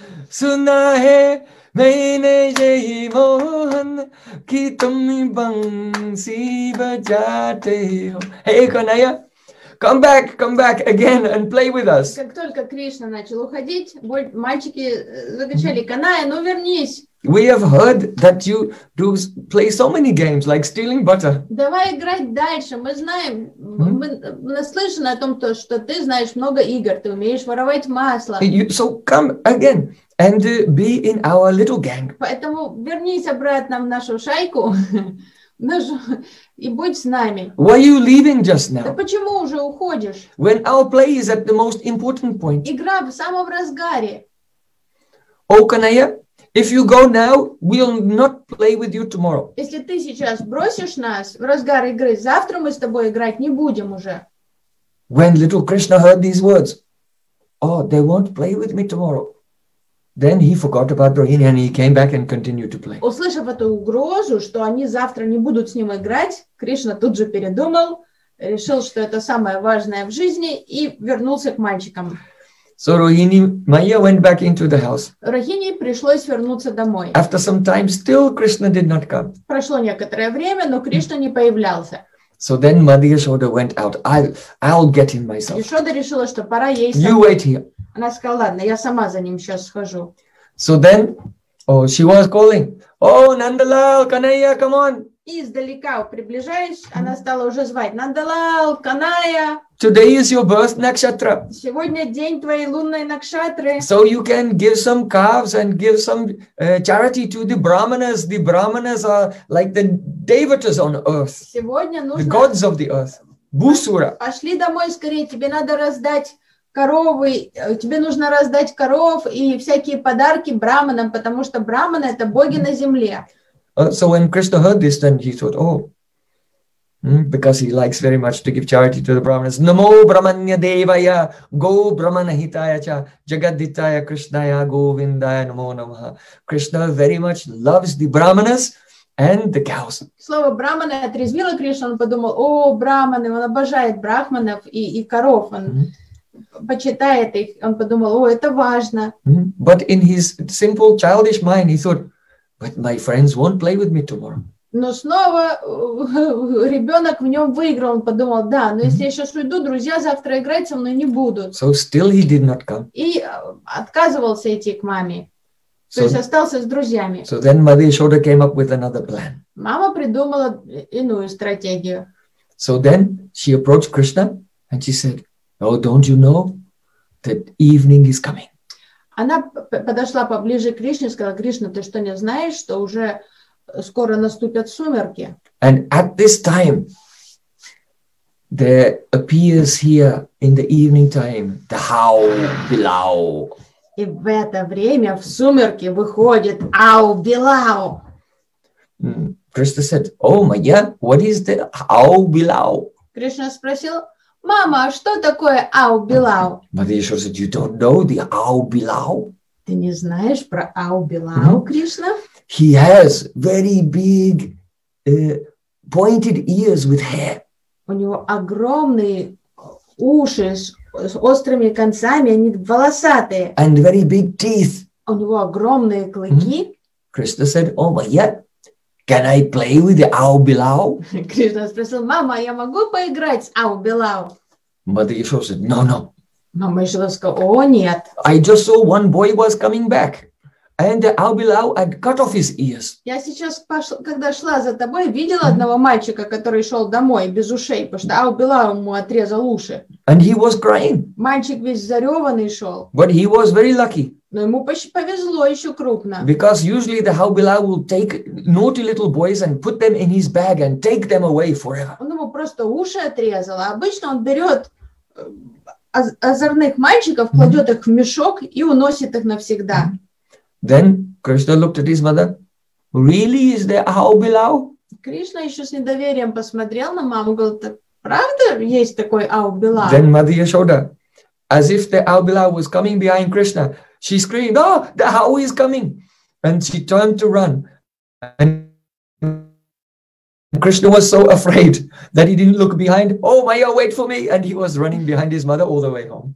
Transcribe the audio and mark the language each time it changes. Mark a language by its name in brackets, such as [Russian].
[Hindi] suna hai maine yahi mohan ki tum bansi bajate ho [English] hey kanaiya come back again and play with us [Russian] как только Кришна начал уходить мальчики закричали Kanaiya, ну вернись [English] we have heard that you do play so many games like stealing butter [Russian] давай играть дальше мы знаем мы наслышаны о том то что ты знаешь много игр ты умеешь воровать масло [English] so come again And be in our little gang. [Russian] Поэтому вернись обратно в нашу шайку и будь с нами. [English] Why are you leaving just now? [Russian] Да почему уже уходишь? [English] When our play is at the most important point. [Russian] Игра в самом разгаре. [English] Oh, Kanaiya, if you go now, we'll not play with you tomorrow. [Russian] Если ты сейчас бросишь нас в разгар игры, завтра мы с тобой играть не будем уже. [English] When little Krishna heard these words, oh, they won't play with me tomorrow. Then he forgot about Rohini and he came back and continued to play. [Russian] Услышав эту угрозу, что они завтра не будут с ним играть, Кришна тут же передумал, решил, что это самое важное в жизни и вернулся к мальчикам. [English] So Rohini Maya went back into the house. [Russian] Рохини пришлось вернуться домой. [English] After some time still Krishna did not come. [Russian] Прошло некоторое время, но Кришна не появлялся. [English] So then Madhya Shoda went out. I'll get him myself. [Russian] Ишода решила, что пора ей самой. [English] You wait here. [Russian] Она сказала, ладно, я сама за ним сейчас схожу. [English] So then, oh, she was calling. Oh, Nandalal, Kanaiya, come on. [Russian] Издалека, приближаясь, она стала уже звать. Нандалал, Kanaiya. [English] Today is your birth nakshatra. [Russian] Сегодня день твоей лунной накшатры. [English] So you can give some calves and give some charity to the brahmanas. The brahmanas are like the devatas on earth. [Russian] Сегодня нужно... [English] The gods of the earth. Бусура. [Russian] Пошли домой скорее, тебе надо раздать... коровы, тебе нужно раздать коров и всякие подарки браманам, потому что браманы это боги на земле. [English] So when Krishna heard this, then he thought, oh, because he likes very much to give charity to the brahmanas. [Sanskrit] Namo brahmanya devaya, go brahmana hitaya cha, jagaditaya krishnaya govindaya namo namaha. [English] Krishna very much loves the brahmanas. And the cows. [Russian] Слово брахмана отрезвило Кришну, он подумал, о, браманы, он обожает брахманов и коров, он почитает их, он подумал, о, это важно. Mm-hmm. [English] But in his simple childish mind, he thought, but my friends won't play with me tomorrow. [Russian] Но снова ребенок в нем выиграл, он подумал, да, но если я сейчас уйду, друзья завтра играть со мной не будут. [English] So still he did not come. [Russian] И отказывался идти к маме, то есть остался с друзьями. [English] So then Madhya Shoda came up with another plan. [Russian] Мама придумала иную стратегию. [English] So then she approached Krishna. And she said, "Oh, don't you know that evening is coming?" [Russian] Она подошла поближе к Кришне и сказала: "Кришна, ты что не знаешь, что уже скоро наступят сумерки?" [English] And at this time, there appears here in the evening time the howl below. [Russian] И в это время в сумерки выходит ау билау. [English] Krishna said, "Oh, Maya, what is the ау билау?" [Russian] Кришна спросил: "Мама, что такое ау билау?" [English] Madhya said, "You don't know the ау билау?" [Russian] Ты не знаешь про ау билау, Кришна? [English] He has very big pointed ears with hair. [Russian] У него огромные уши с острыми концами, они волосатые. [English] And very big teeth. [Russian] У него огромные клыки. [English] Krishna said, "Oh, Maya, can I play with the ау билау?" [Russian] Кришна спросил: "Мама, я могу поиграть с ау билау?" [English] Mother Yashoda said, "No, no." [Russian] Мама Yashoda сказала: "О, нет." [English] I just saw one boy was coming back, and the ау билау had cut off his ears. [Russian] Я сейчас, когда шла за тобой, видела одного мальчика, который шел домой без ушей, потому что ау билау ему отрезал уши. [English] And he was crying. [Russian] Мальчик весь зареванный шел. [English] But he was very lucky. [Russian] Но ему повезло еще крупно. [English] Because usually the ау билау will take naughty little boys and put them in his bag and take them away forever. [Russian] Он ему просто уши отрезал. А обычно он берет озорных мальчиков, кладет их в мешок и уносит их навсегда. [English] Then Krishna looked at his mother. Really, is there ау билау? [Russian] Кришна еще с недоверием посмотрел на маму, говорит: правда есть такой ау билау? [English] Then Mother Yashoda, as if the ау билау was coming behind Krishna, she screamed, "Oh, the howl is coming!" And she turned to run. And Krishna was so afraid that he didn't look behind. "Oh, Maya, wait for me!" And he was running behind his mother all the way home.